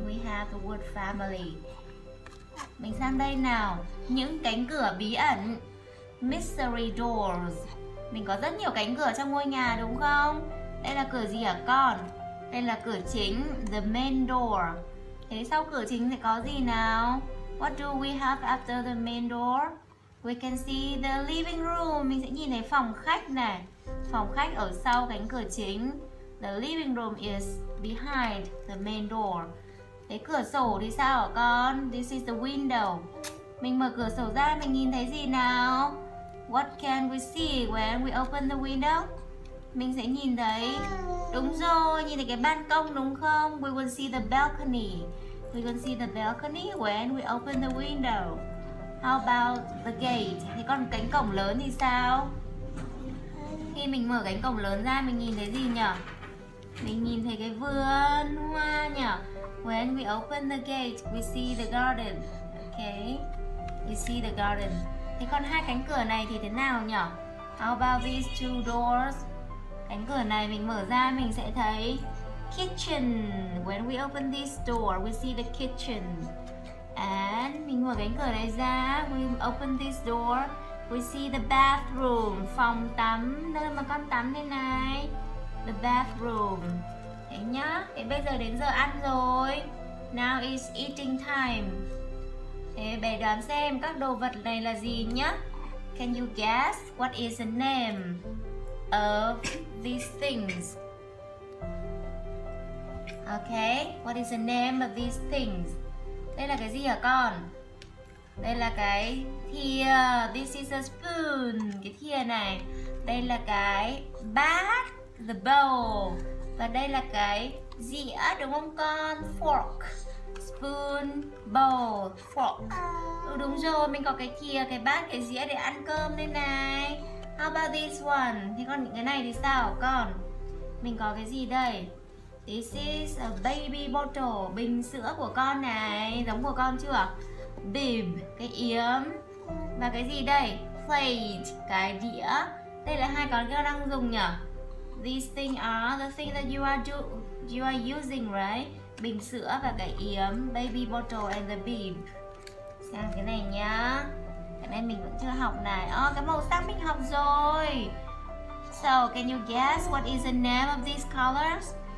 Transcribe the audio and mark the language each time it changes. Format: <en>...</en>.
<en>We have the word family.</en> <vi>Mình sang đây nào. Những cánh cửa bí ẩn,</vi> <en>mystery doors.</en> <vi>Mình có rất nhiều cánh cửa trong ngôi nhà đúng không? Đây là cửa gì hả con? Đây là cửa chính,</vi> <en>the main door.</en> <vi>Thế sau cửa chính thì có gì nào?</vi> <en>What do we have after the main door? We can see the living room.</en> <vi>Mình sẽ nhìn thấy phòng khách này. Phòng khách ở sau cánh cửa chính.</vi> <en>The living room is behind the main door.</en> <vi>Thế cửa sổ thì sao hả con?</vi> <en>This is the window.</en> <vi>Mình mở cửa sổ ra, mình nhìn thấy gì nào?</vi> <en>What can we see when we open the window?</en> <vi>Mình sẽ nhìn thấy, đúng rồi, nhìn thấy cái ban công đúng không?</vi> <en>We will see the balcony. We will see the balcony when we open the window. How about the gate?</en> <vi>Thế còn cánh cổng lớn thì sao? Khi mình mở cánh cổng lớn ra, mình nhìn thấy gì nhở? Mình nhìn thấy cái vườn hoa nhở?</vi> <en>When we open the gate, we see the garden. Okay, we see the garden.</en> <vi>Thế còn hai cánh cửa này thì thế nào nhở?</vi> <en>How about these two doors?</en> <vi>Cánh cửa này mình mở ra mình sẽ thấy kitchen.</vi> <en>When we open this door, we see the kitchen. And</en> <vi>mình mở cánh cửa này ra,</vi> <en>we open this door, we see the bathroom,</en> <vi>phòng tắm, nơi mà con tắm đây này.</vi> <en>The bathroom.</en> <vi>Thế nhá, thế bây giờ đến giờ ăn rồi.</vi> <en>Now is eating time.</en> <vi>Thế bé đoán xem các đồ vật này là gì nhá.</vi> <en>Can you guess what is the name of these things? Okay, what is the name of these things?</en> <vi>Đây là cái gì hả con? Đây là cái thìa.</vi> <en>This is a spoon.</en> <vi>Cái thìa này. Đây là cái bát.</vi> <en>The bowl.</en> <vi>Và đây là cái dĩa đúng không con?</vi> <en>Fork, spoon, bowl, fork.</en> <vi>Đúng rồi, mình có cái thìa, cái bát, cái dĩa để ăn cơm đây này.</vi> <en>How about this one?</en> <vi>Thế còn cái này thì sao con? Mình có cái gì đây?</vi> <en>This is a baby bottle.</en> <vi>Bình sữa của con này. Giống của con chưa? Bib, cái yếm. Và cái gì đây? Plate, cái đĩa. Đây là hai con kia đang dùng nhỉ?</vi> <en>These things are the things that you are using, right?</en> <vi>Bình sữa và cái yếm,</vi> <en>baby bottle and the bib.</en> <vi>Xem cái này nhá. Cái này mình vẫn chưa học này. Oh, cái màu sắc mình học rồi.</vi> <en>So, can you guess what is the name of these colors?</en>